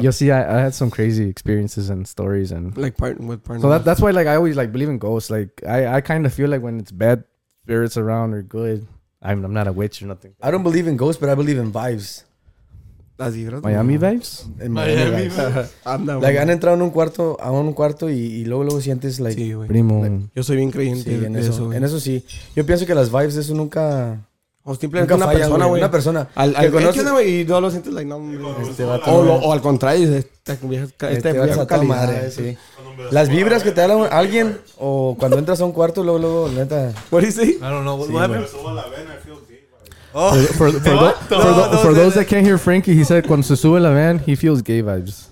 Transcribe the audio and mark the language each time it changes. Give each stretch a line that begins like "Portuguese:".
Spanish: Yo sí,
English: I had some crazy experiences and stories. Like, partner with partner. So that's why, like, I always, like, believe in ghosts. Like, I kind of feel like when it's bad spirits around or good... I'm not a witch or nothing. I don't believe in ghosts, but I believe in vibes. Miami vibes? In Miami vibes.
Spanish: Like, han entrado en un cuarto, a un cuarto y luego sientes, like... Sí, güey. Primo. Like, yo soy bien creyente. Sí, en eso sí. Yo pienso que las vibes, eso nunca... O simplemente nunca una falla, persona, güey. Una persona. Al que conoces... Que y no lo sientes, like, no... Este va o al contrario, este va a tu madre, sí. Las vibras que te da alguien o cuando entras a un cuarto, luego neta.
English: What is it? I don't know.
Spanish: Sí,
English: what happened? For those that can't hear Frankie, he said
Spanish: cuando se sube la van,
English: he feels gay vibes.